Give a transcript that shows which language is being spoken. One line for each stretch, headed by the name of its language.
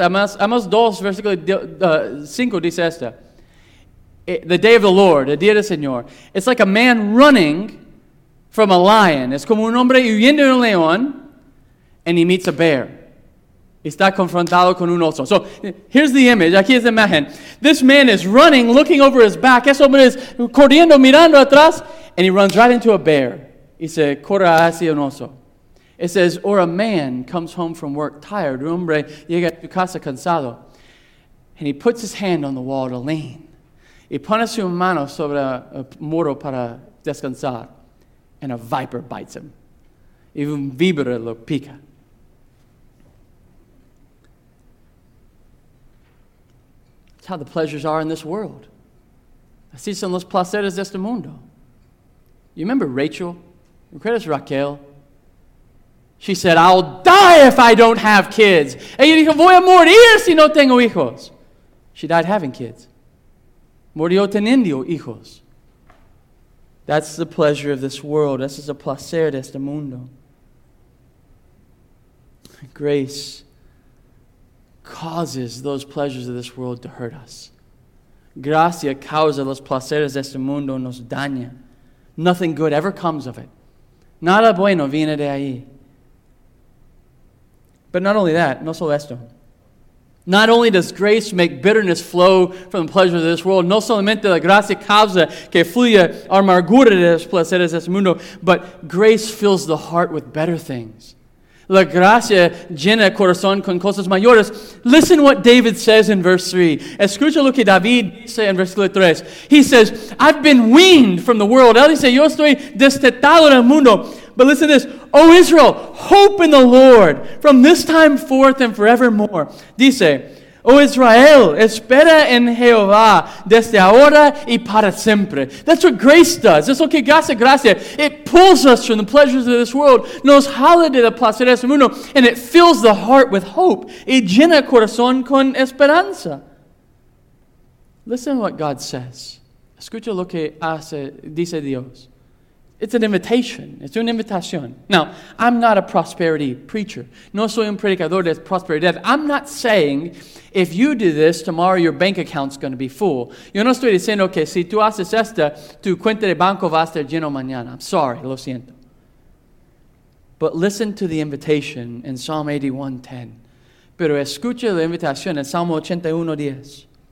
Spanish: Amos 2, versículo 5 dice esto.
English: The day of the Lord,
Spanish: el día del Señor.
English: It's like a man running from a lion.
Spanish: Es como un hombre huyendo de un león,
English: and he meets a bear.
Spanish: Está confrontado con un oso.
English: So, here's the image.
Spanish: Aquí es la imagen.
English: This man is running, looking over his back.
Spanish: Ese hombre es corriendo, mirando atrás,
English: and he runs right into a bear.
Spanish: Y se corre hacia un oso.
English: It says, or a man comes home from work tired.
Spanish: Un hombre llega a su casa cansado.
English: And he puts his hand on the wall to lean.
Spanish: Y pone su mano sobre el muro para descansar.
English: And a viper bites him.
Spanish: Y un víbora lo pica.
English: That's how the pleasures are in this world.
Spanish: Así son los placeres de este mundo.
English: You remember Rachel?
Spanish: Recuerdas Raquel?
English: She said, I'll die if I don't have kids.
Spanish: Ella dijo, voy a morir si no tengo hijos.
English: She died having kids.
Spanish: Murió teniendo hijos.
English: That's the pleasure of this world. This is a
Spanish: placer de este mundo.
English: Grace causes those pleasures of this world to hurt us.
Spanish: Gracia causa los placeres de este mundo nos daña.
English: Nothing good ever comes of it.
Spanish: Nada bueno viene de ahí.
English: But not only that,
Spanish: no solo esto.
English: Not only does grace make bitterness flow from the pleasures of this world,
Spanish: no solamente la gracia causa que fluya amargura de los placeres de este mundo,
English: but grace fills the heart with better things.
Spanish: La gracia llena el corazón con cosas mayores.
English: Listen what David says in verse 3.
Spanish: Escucha lo que David dice en versículo 3.
English: He says, I've been weaned from the world.
Spanish: Él dice, yo estoy destetado del mundo.
English: But listen to this. O Israel, hope in the Lord from this time forth and forevermore.
Spanish: Dice, O Israel, espera en Jehová desde ahora y para siempre.
English: That's what grace does. That's what gracia, gracia. It pulls us from the pleasures of this world,
Spanish: nos jala de la placer de este mundo,
English: and it fills the heart with hope.
Spanish: Y llena el corazón con esperanza.
English: Listen to what God says.
Spanish: Escucha lo que hace, dice Dios.
English: It's an invitation. It's an invitation. Now, I'm not a prosperity preacher.
Spanish: No soy un predicador de prosperidad.
English: I'm not saying if you do this, tomorrow your bank account's going to be full.
Spanish: Yo no estoy diciendo que si tú haces esta, tu cuenta de banco va a estar lleno mañana.
English: I'm sorry.
Spanish: Lo siento.
English: But listen to the invitation in Psalm 81:10.
Spanish: Pero escucha la invitación en Salmo 81:10.